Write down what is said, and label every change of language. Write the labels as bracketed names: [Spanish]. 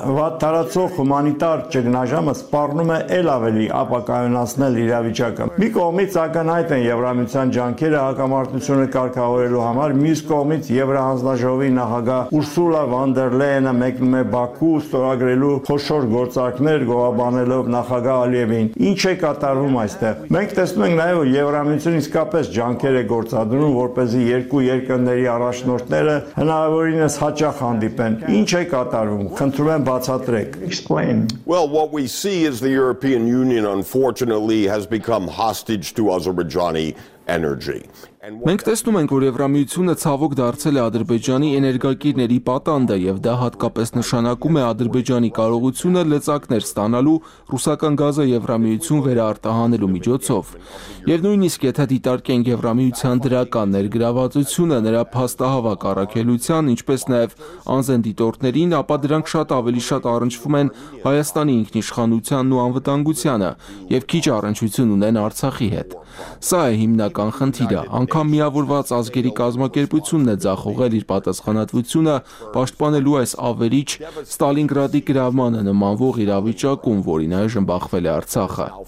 [Armenian] վատ տարածող հումանիտար ճգնաժամը սպառնում է ել ավելի ապակայունացնել իրավիճակը։ Մի կողմից ակնհայտ են Եվրամիության ջանքերը հակամարտությունը կարգավորելու համար, մյուս կողմից Եվրահանձնաժողովի նախագահ Ուրսուլա վոն դեր Լեյենը մեկնում է Բաքու ստորագրելու խոշոր գործարքներ գովաբանել լավ նախագահ Ալիևին։ Ինչ է կատարվում այստեղ։ Մենք տեսնում ենք նաև, որ Եվրամիությունը իսկապես ջանքեր է գործադրում, որպեսզի երկու երկրների առաջնորդները հնարավորինս հաճախ հանդիպեն։ Ինչ է կատարվում, խնդրում եմ բացատրեք։ [English] Well, what we see is the European Union unfortunately has become hostage to Azerbaijani energy. [Armenian] Մենք տեսնում ենք, որ Եվրամիությունը ցավոք դարձել է Ադրբեջանի էներգակիրների պատանդը եւ դա հատկապես նշանակում է Ադրբեջանի կարողությունը լծակներ ստանալու ռուսական գազը Եվրամիություն վերարտահանելու միջոցով։ Եվ նույնիսկ եթե դիտարկենք Եվրամիության դրական ներգրավվածությունը նրա փաստահավաք առաքելության, ինչպես նաեւ անզենդիտորտներին, ապա դրանք շատ ավելի շատ առնչվում են Հայաստանի ինքնիշխանությանն ու անվտանգությանը եւ քիչ առնչություն ունեն Արցախի հետ։ Սա է հիմնական խնդիրը։ Անկամ միավորված ազգերի կազմակերպությունն է ձախողել իր պատասխանատվությունը պաշտպանելու այս ավերիչ Ստալինգրադի գրավմանը նմանվող իրավիճակում, որին այժմ բախվել է Արցախը։